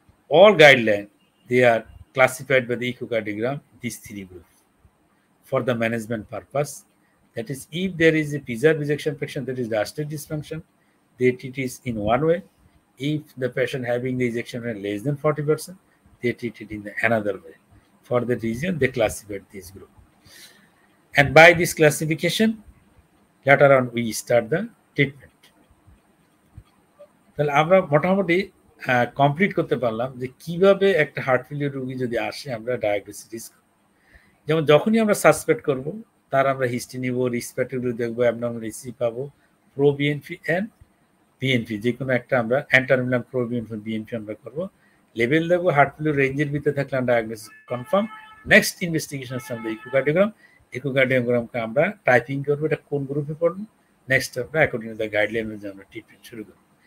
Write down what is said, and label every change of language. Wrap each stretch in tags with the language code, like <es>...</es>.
<en>All guideline they are classified by the echocardiogram this three group for the management purpose, that is if there is a preserved ejection fraction that is diastolic dysfunction, that it is in one way. If the patient having the ejection less than 40%, they treat it in the another way. For the reason they classified this group, and by this classification later on we start the treatment.</en> <bn>তাহলে আমরা মোটামুটি complete করতে পারলাম যে কিভাবে একটা heart failure রোগী যদি আসে আমরা ডায়াগনোসিস রিস্ক, যেমন যখনই আমরা সাসপেক্ট করব তার আমরা হিস্ট্রি নিব, রিস্ক ফ্যাক্টরগুলো দেখব, অ্যাবনর্মাল ইসিজি পাবো, প্রো বিএনপি এন্ড বিএনপি যে কোনো একটা আমরা অ্যান্টারমিনাল প্রো বিএনপি বিএনপি আমরা করব, লেভেল দেখবো, হার্ট ফেলিওর রেঞ্জের ভিতরে থাকলাম ডায়াগনোসিস কনফার্ম, নেক্সট ইনভেস্টিগেশন আমাদের ইকোকার্ডিওগ্রাম, ইকোকার্ডিওগ্রামকে আমরা টাইপিং করবো এটা কোন গ্রুপে পড়ব, নেক্সট আমরা</bn> <en>according to the guideline</en> <bn>অনুযায়ী আমরা ট্রিটমেন্ট শুরু করব।</bn>